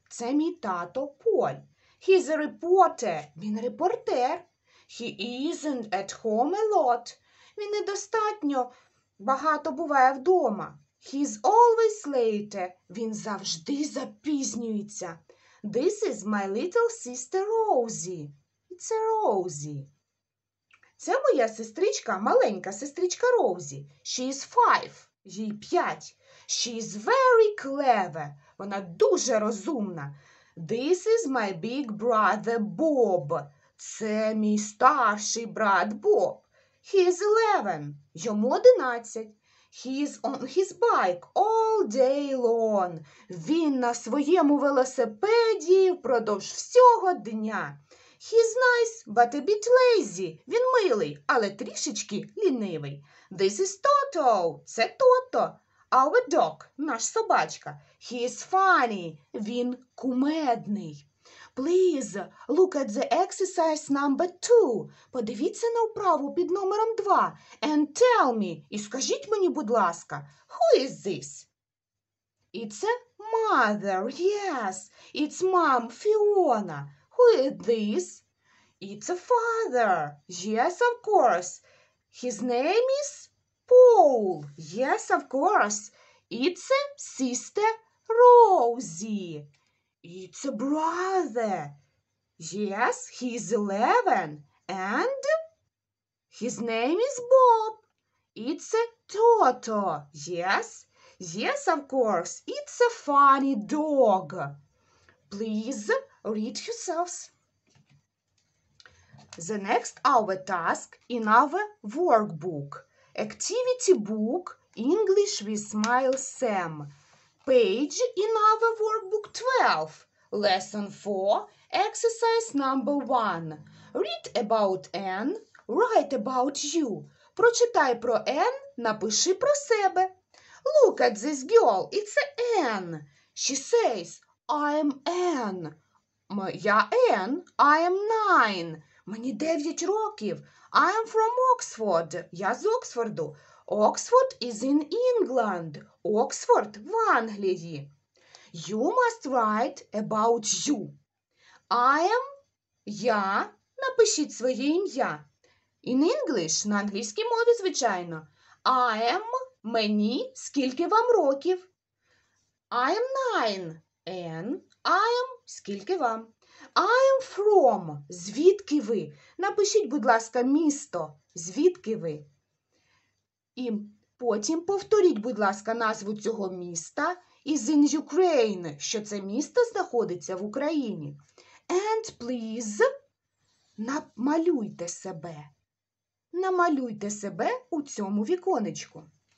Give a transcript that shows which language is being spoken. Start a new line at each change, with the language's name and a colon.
Ukrainian: Це мій тато Поль.
English: He's a reporter.
Ukrainian: Він репортер.
English: He isn't at home a lot.
Ukrainian: Він недостатньо багато буває вдома.
English: He's always late.
Ukrainian: Він завжди запізнюється.
English: This is my little sister Rosie. It's a Rosie.
Ukrainian: Це моя сестричка, маленька сестричка Роузі.
English: She is 5.
Ukrainian: Їй 5.
English: She is very clever.
Ukrainian: Вона дуже розумна.
English: This is my big brother Bob.
Ukrainian: Це мій старший брат Bob.
English: He is 11.
Ukrainian: Йому 11.
English: He is on his bike all day long.
Ukrainian: Він на своєму велосипеді впродовж всього дня.
English: He is nice, but a bit lazy.
Ukrainian: Він милий, але трішечки лінивий.
English: This is Toto.
Ukrainian: Це Toto.
English: Our dog,
Ukrainian: наш собачка.
English: He is funny.
Ukrainian: Він кумедний.
English: Please look at the exercise number 2.
Ukrainian: Подивіться на вправу під номером 2.
English: And tell me,
Ukrainian: і скажіть мені, будь ласка,
English: who is this? It's a Mother, yes, it's mom, Fiona. Who is this? It's a father. Yes, of course. His name is Paul. Yes, of course. It's a sister, Rosie. It's a brother. Yes, he's 11. And his name is Bob. It's a Toto. Yes. Yes, of course. It's a funny dog. Please read yourselves. The next our task in our workbook. Activity book, English with Smile Sam. Page in our workbook 12. Lesson 4, exercise number 1. Read about Anne, write about you.
Ukrainian: Прочитай про Anne, напиши про себе.
English: Look at this girl, it's Anne. She says, I'm Anne.
Ukrainian: Я Anne,
English: I am 9.
Ukrainian: Мені 9 років.
English: I am from Oxford.
Ukrainian: Я з Оксфорду.
English: Oxford is in England.
Ukrainian: Oxford в Англії.
English: You must write about you. I am,
Ukrainian: я, напишіть своє ім'я.
English: In English,
Ukrainian: на англійській мові, звичайно.
English: I am,
Ukrainian: мені, скільки вам років?
English: I am 9. And I am,
Ukrainian: скільки вам?
English: I am from,
Ukrainian: звідки ви? Напишіть, будь ласка, місто, звідки ви? І потім повторіть, будь ласка, назву цього міста.
English: Is in Ukraine,
Ukrainian: що це місто знаходиться в Україні.
English: And please,
Ukrainian: намалюйте себе. Намалюйте себе у цьому віконечку.